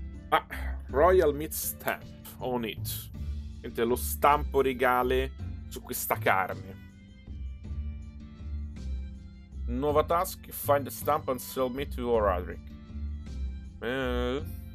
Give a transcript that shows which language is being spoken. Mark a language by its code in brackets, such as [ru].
[en] Ah, Royal Meat Stamp on it. [it] Niente, lo stampo regale su questa carne. [en] Nuova task, find the stamp and sell meat to Roderick.